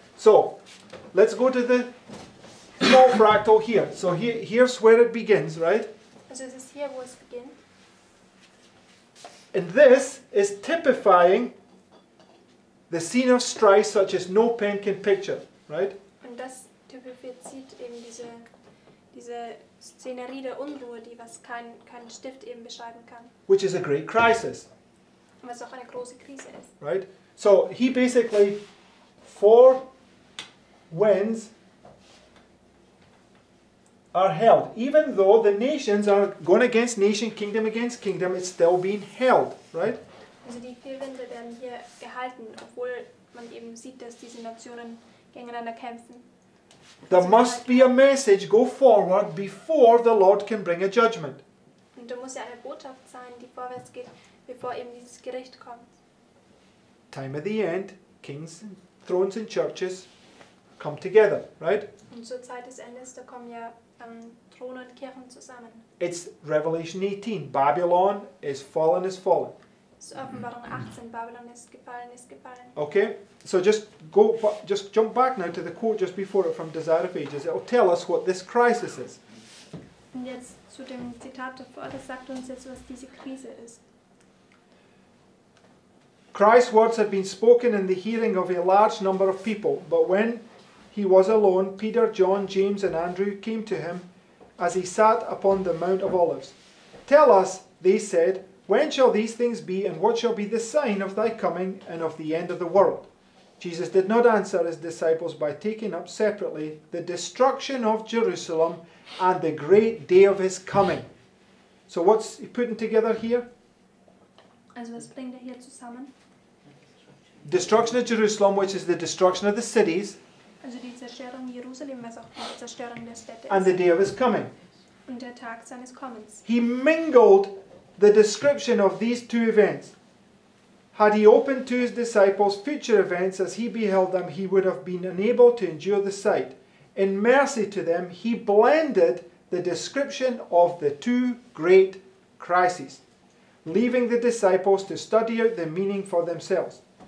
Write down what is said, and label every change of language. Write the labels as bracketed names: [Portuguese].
[English] So, let's go to the small fractal here. So here's where it begins, right? Also this is here where it begins. And this is typifying the scene of strife such as no pen can picture, right? [German] Und das typifiziert eben diese Szenerie der Unruhe, die was kein Stift eben beschreiben kann. [English] Which is a great crisis. [German] Was auch eine große Krise ist. [English] Right? So he basically four winds are held. Even though the nations are going against nation, kingdom against kingdom, it's still being held, right? [German] Also die vier Winde werden hier gehalten, obwohl man eben sieht, dass diese Nationen gegeneinander kämpfen. [English] There must be a message go forward before the Lord can bring a judgment. [German] Und da muss ja eine Botschaft sein, die vorwärts geht, bevor eben dieses Gericht kommt. [English] Time of the end, kings, thrones and churches come together, right? [German] Und zur Zeit des Endes, da kommen ja Throne und Kirchen zusammen. [English] It's Revelation 18. Babylon is fallen, is fallen. [German] So Offenbarung 18. Babylon ist gefallen, ist gefallen. [English] Okay, so just jump back now to the quote just before it from Desire of Ages. It'll tell us what this crisis is. [German] Und jetzt zu dem Zitat davor, das sagt uns jetzt, was diese Krise ist. [English] Christ's words had been spoken in the hearing of a large number of people, but when he was alone, Peter, John, James and Andrew came to him as he sat upon the Mount of Olives. Tell us, they said, when shall these things be, and what shall be the sign of thy coming and of the end of the world? Jesus did not answer his disciples by taking up separately the destruction of Jerusalem and the great day of his coming. So what's he putting together here? [German] Also was bringt er hier zusammen? [English] Destruction of Jerusalem, which is the destruction of the cities. [German] Also die Zerstörung Jerusalem, was auch die Zerstörung der Städte ist. [English] And the day of his coming. [German] Und der Tag seines Kommens. [English] He mingled the description of these two events. Had he opened to his disciples future events as he beheld them, he would have been unable to endure the sight. In mercy to them, he blended the description of the two great crises, leaving the disciples to study out the meaning for themselves.